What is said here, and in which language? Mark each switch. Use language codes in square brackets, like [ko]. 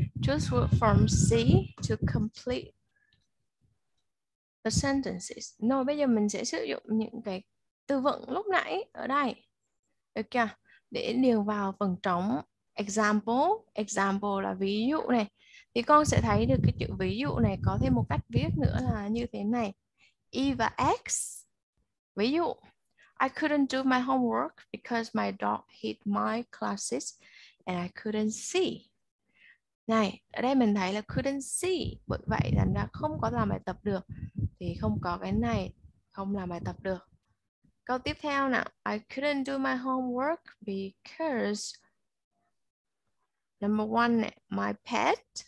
[en] Choose word from C to complete the sentences. [vi] Rồi, bây giờ mình sẽ sử dụng những cái từ vựng lúc nãy ở đây. Được chưa? Để điền vào phần trống. Example. Example là ví dụ này. Thì con sẽ thấy được cái chữ ví dụ này có thêm một cách viết nữa là như thế này. E và X. Ví dụ. [en] I couldn't do my homework because my dog hit my glasses and I couldn't see. [vi] Này, ở đây mình thấy là [en] couldn't see. [vi] Bởi vậy thành ra không có làm bài tập được. Thì không có cái này. Không làm bài tập được. Câu tiếp theo nào. [en] I couldn't do my homework because number one [vi] này, [en] my pet.